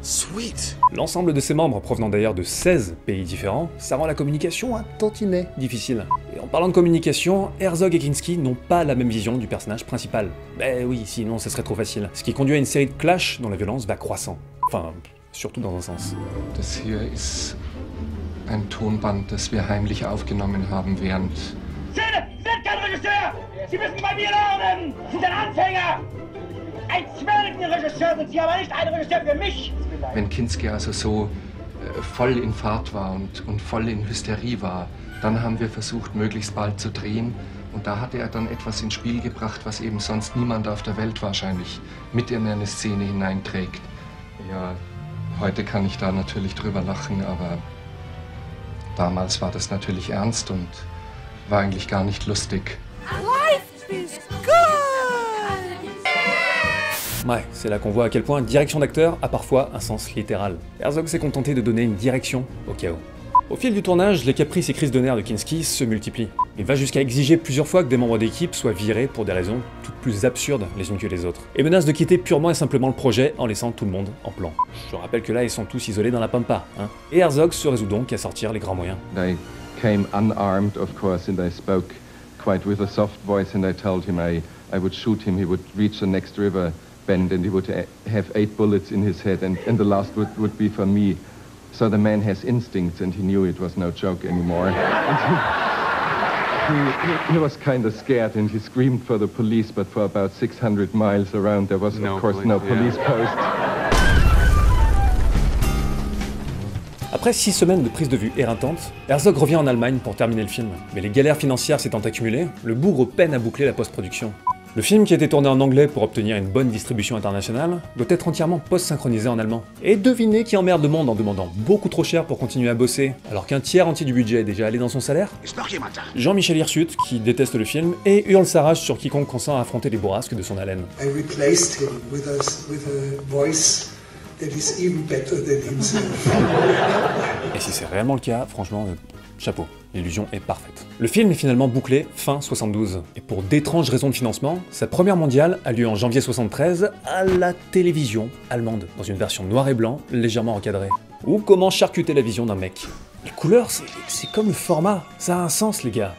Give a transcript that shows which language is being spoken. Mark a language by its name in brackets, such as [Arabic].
[English] Sweet ! [French] L'ensemble de ses membres provenant d'ailleurs de 16 pays différents, ça rend la communication un tantinet difficile. Et en parlant de communication, Herzog et Kinski n'ont pas la même vision du personnage principal. Ben oui, sinon ce serait trop facile. Ce qui conduit à une série de clashs dont la violence va croissant. Enfin, surtout dans un sens. [German] Das hier ist ein Tonband, das wir heimlich aufgenommen haben während. Schöne, wird kein Regisseur! Sie müssen bei mir lernen! Sie sind ein Anfänger! Ein Zwergenregisseur sind Sie, aber nicht ein Regisseur für mich! Wenn Kinski also so voll in Fahrt war und voll in Hysterie war, dann haben wir versucht, möglichst bald zu drehen. Und da hatte er dann etwas ins Spiel gebracht, was eben sonst niemand auf der Welt wahrscheinlich mit in eine Szene hineinträgt. Ja. Heute kann ich da natürlich drüber lachen, aber damals war das natürlich ernst und war eigentlich gar nicht lustig. [English] Life is good! [French] Ouais, c'est là qu'on voit à quel point direction d'acteur a parfois un sens littéral. Herzog s'est contenté de donner une direction au chaos. Au fil du tournage, les caprices et crises de nerfs de Kinski se multiplient. Il va jusqu'à exiger plusieurs fois que des membres d'équipe soient virés pour des raisons toutes plus absurdes les unes que les autres, et menace de quitter purement et simplement le projet en laissant tout le monde en plan. Je rappelle que là, ils sont tous isolés dans la pampa, hein. Et Herzog se résout donc à sortir les grands moyens. [English] I came unarmed, of course, and I spoke quite with a soft voice, and I told him I would shoot him. He would reach the next river bend, and he would have 8 bullets in his head, and the last would be for me. So the man has instincts, and he knew it was no joke anymore. He was kind of scared, and he screamed for the police, but for about 600 miles around, there was, of course, no police post. [French] Après 6 semaines de prise de vue éreintante, Herzog revient en Allemagne pour terminer le film. Mais les galères financières s'étant accumulées, le bourreau peine à boucler la post-production. Le film qui a été tourné en anglais pour obtenir une bonne distribution internationale doit être entièrement post-synchronisé en allemand. Et devinez qui emmerde le monde en demandant beaucoup trop cher pour continuer à bosser, alors qu'un tiers entier du budget est déjà allé dans son salaire ? Jean-Michel Hirschut, qui déteste le film, et hurle sa rage sur quiconque consent à affronter les bourrasques de son haleine. [English] I replaced him with a, voice that is even better than himself. [French] Et si c'est réellement le cas, franchement, chapeau. L'illusion est parfaite. Le film est finalement bouclé fin 72, et pour d'étranges raisons de financement, sa première mondiale a lieu en janvier 73 à la télévision allemande, dans une version noir et blanc légèrement encadrée. Ou comment charcuter la vision d'un mec. Les couleurs, c'est comme le format, ça a un sens les gars.